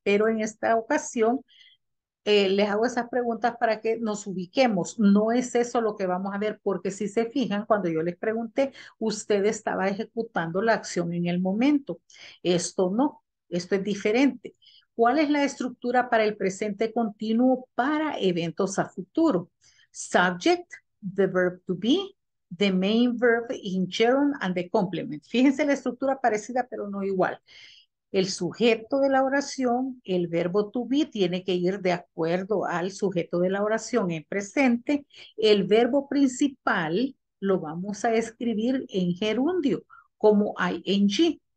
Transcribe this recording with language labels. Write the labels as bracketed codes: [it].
[es] Pero en esta ocasión les hago esas preguntas para que nos ubiquemos. No es eso lo que vamos a ver, porque si se fijan, cuando yo les pregunté, usted estaba ejecutando la acción en el momento. Esto no, esto es diferente. ¿Cuál es la estructura para el presente continuo para eventos a futuro? [en] Subject, the verb to be, the main verb in gerund, and the complement. [es] Fíjense la estructura parecida, pero no igual. El sujeto de la oración, el verbo to be, tiene que ir de acuerdo al sujeto de la oración en presente. El verbo principal lo vamos a escribir en gerundio, como ing.